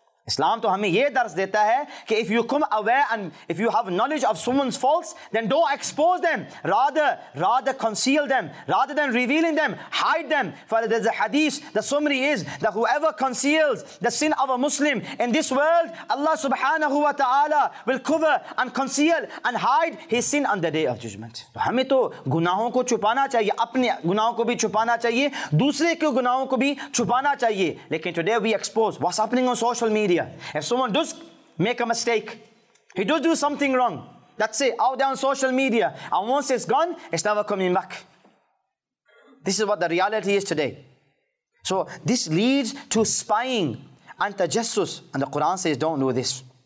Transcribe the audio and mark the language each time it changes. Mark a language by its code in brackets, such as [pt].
[ur] Islam to hame ye dars deta hai ki [en] if you come aware and if you have knowledge of someone's faults, then don't expose them. Rather conceal them. Rather than revealing them, hide them. For there's a hadith, the summary is that whoever conceals the sin of a Muslim in this world, Allah subhanahu wa ta'ala will cover and conceal and hide his sin on the day of judgment. [ur] تو ہمیں تو گناہوں کو چھپانا چاہیے، اپنے گناہوں کو بھی چھپانا چاہیے، دوسرے کے گناہوں کو بھی چھپانا چاہیے۔ [en] Lekin today we expose what's happening on social media. If someone does make a mistake, he does do something wrong, that's it, out there on social media, and once it's gone, it's never coming back. This is what the reality is today. So this leads to spying and tajassus, and the Quran says don't do this.